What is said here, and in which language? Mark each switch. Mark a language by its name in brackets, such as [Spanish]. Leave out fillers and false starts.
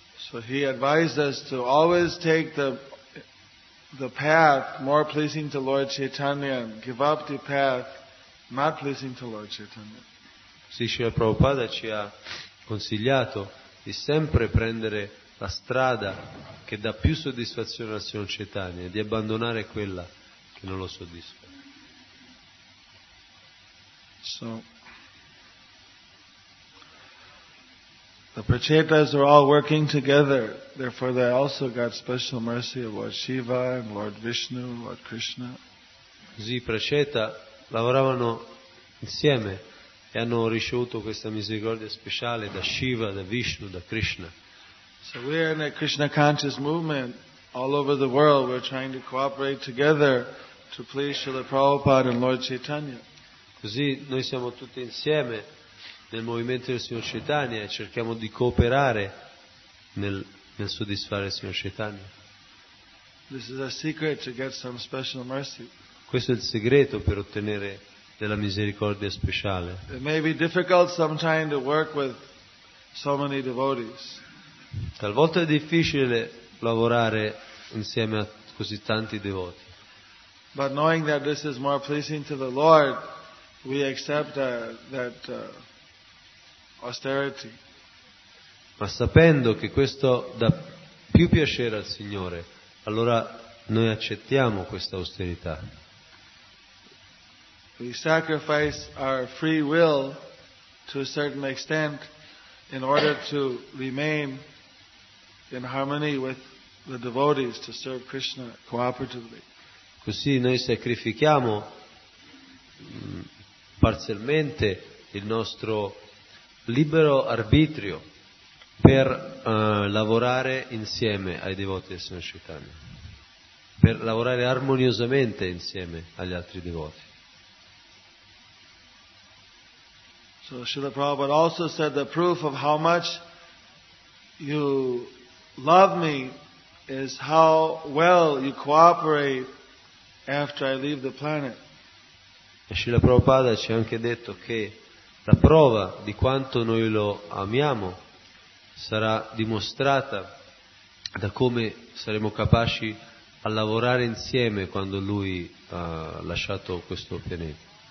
[English] So he advised us to always take the path more pleasing to Lord Chaitanya and give up the path not pleasing to Lord Chaitanya. [Italian] Sì, Srila Prabhupada ci ha consigliato di sempre prendere la strada che dà più soddisfazione al Signor Chaitanya e di abbandonare quella che non lo soddisfa. [English] So the Prachetas are all working together, therefore they also got special mercy of Lord Shiva and Lord Vishnu, Lord Krishna. [Italian] Così i Pracheta lavoravano insieme e hanno ricevuto questa misericordia speciale da Shiva, da Vishnu, da Krishna. [English] So we are in a Krishna conscious movement all over the world. We're trying to cooperate together to please Srila Prabhupada and Lord Chaitanya. [Italian] Così noi siamo tutti insieme nel movimento del Signor Chaitanya e cerchiamo di cooperare nel soddisfare il Signor Chaitanya. [English] This is a secret to get some special mercy. [Italian] Questo è il segreto per ottenere della misericordia speciale. [English] It may be difficult sometimes to work with so many devotees. [Italian] Talvolta è difficile lavorare insieme a così tanti devoti. [English] But knowing that this is more pleasing to the Lord, we accept that austerity. [Italian] Ma sapendo che questo dà più piacere al Signore, allora noi accettiamo questa austerità. [English] We sacrifice our free will to a certain extent in order to remain in harmony with the devotees to serve Krishna cooperatively. [Italian] Così noi sacrifichiamo parzialmente il nostro libero arbitrio per lavorare insieme ai devoti del Signore Chaitanya. per lavorare armoniosamente insieme agli altri devoti. [English] So Srila Prabhupada also said the proof of how much you love me is how well you cooperate after I leave the planet. [Italian] E Srila Prabhupada ci ha anche detto che la prova di quanto noi lo amiamo sarà dimostrata da come saremo capaci a lavorare insieme quando lui ha lasciato questo pianeta.